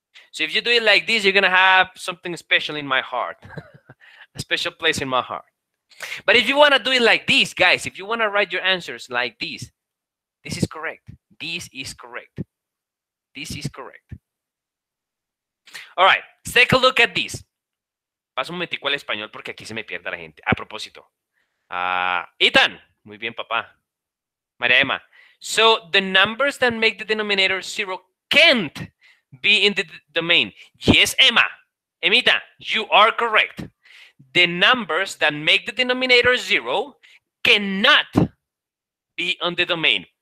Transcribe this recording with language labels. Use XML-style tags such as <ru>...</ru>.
<en>So if you do it like this, you're going to have something special in my heart, a special place in my heart. But if you want to do it like this, guys, if you want to write your answers like this, this is correct. This is correct. This is correct. All right, let's take a look at this.</en> <es>Paso un momentico al español porque aquí se me pierde la gente. A propósito. Ethan, muy bien, papá. María Emma.</es> <en>So the numbers that make the denominator zero can't be in the domain. Yes, Emma. Emita, you are correct. The numbers that make the denominator zero cannot be on the domain.</en>